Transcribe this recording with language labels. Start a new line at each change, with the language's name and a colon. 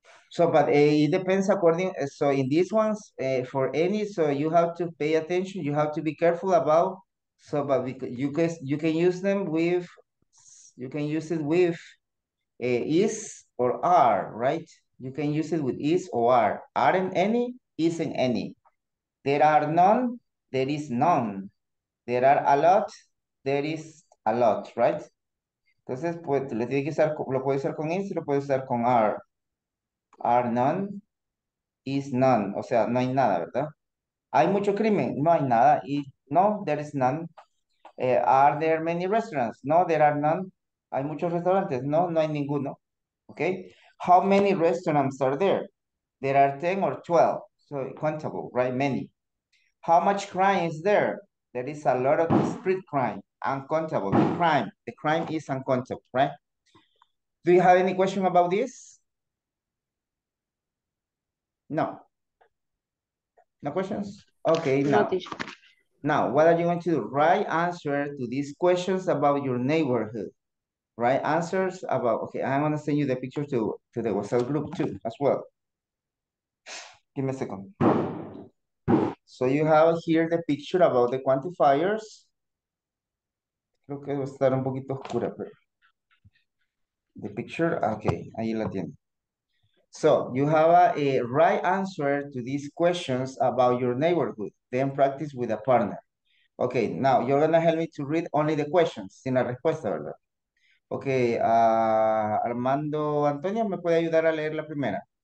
English: So, but it depends according, so in these ones, for any, so you have to pay attention, you have to be careful about, so, but you can use them with, you can use it with is or are, right? You can use it with is or are. Aren't any, isn't any. There are none, there is none. There are a lot, there is a lot, right?
Spanish: Entonces, pues, le tiene que usar, lo puede usar con is, lo puede usar con are.
English: Are none, is none.
Spanish: O sea, no hay nada, ¿verdad? ¿Hay mucho crimen? No hay nada. Y no,
English: there is none. Are there many restaurants? No, there are none.
Spanish: ¿Hay muchos restaurantes? No, no hay ninguno.
English: Okay. How many restaurants are there? There are 10 or 12. So, countable, right? Many. How much crime is there? There is a lot of street crime. Uncountable, the crime is uncountable, right? Do you have any question about this? No. No questions? Okay, now. Now, what are you going to do? Write answers to these questions about your neighborhood. Write answers about, okay, I'm gonna send you the picture to the WhatsApp group too, as well. Give me a second. So you have here the picture about the quantifiers.
Spanish: Creo que va a estar un poquito oscura, pero.
English: The picture, okay,
Spanish: ahí la tiene.
English: So you have a right answer to these questions about your neighborhood, then practice with a partner. Okay, now you're gonna help me to read only the questions,
Spanish: sin la respuesta, ¿verdad? Okay, Armando Antonio, ¿me puede ayudar a leer la primera?